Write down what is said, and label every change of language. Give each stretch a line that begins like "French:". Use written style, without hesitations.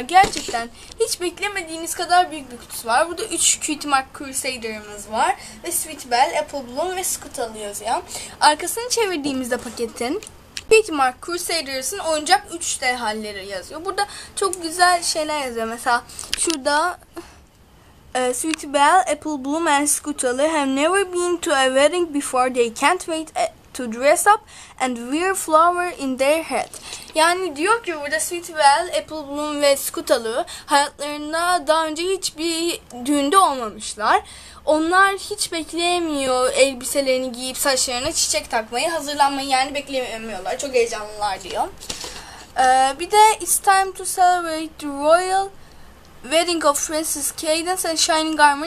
Turkish: Gerçekten hiç beklemediğiniz kadar büyük bir kutusu var. Burada 3 Cutie Mark Crusader'ımız var. Ve Sweet Belle, Apple Bloom ve Scoot alıyoruz ya. Arkasını çevirdiğimizde paketin Cutie Mark Crusaders'ın oyuncak 3D halleri yazıyor. Burada çok güzel şeyler yazıyor. Mesela şurada
English: Sweet Belle, Apple Bloom and Scootalı have never been to a wedding before. They can't wait to dress up and wear flower in their head.
Turkish: Yani diyor ki burada Sweet Belle, Apple Bloom ve Scootalı hayatlarında daha önce hiçbir düğünde olmamışlar. Onlar hiç bekleyemiyor elbiselerini giyip saçlarına çiçek takmayı, hazırlanmayı, yani beklemiyorlar. Çok heyecanlılar diyor. Bir de
English: It's time to celebrate the royal wedding of Princess Cadence and Shining Armor.